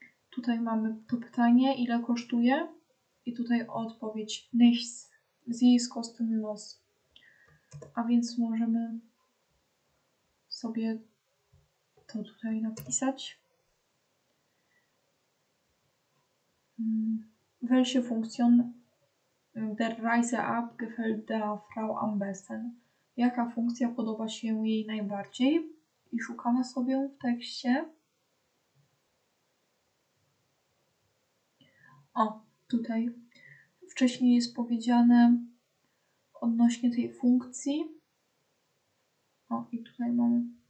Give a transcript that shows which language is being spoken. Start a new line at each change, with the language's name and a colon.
Polish: Tutaj mamy to pytanie, ile kosztuje. I tutaj odpowiedź.
German: Nichts. Sie ist kostenlos.
Polish: A więc możemy sobie to tutaj napisać.
German: Welche Funktion der Reise App gefällt der Frau am besten?
Polish: Jaka funkcja podoba się jej najbardziej? I szukamy sobie w tekście. O, tutaj. Wcześniej jest powiedziane odnośnie tej funkcji. O, i tutaj mamy.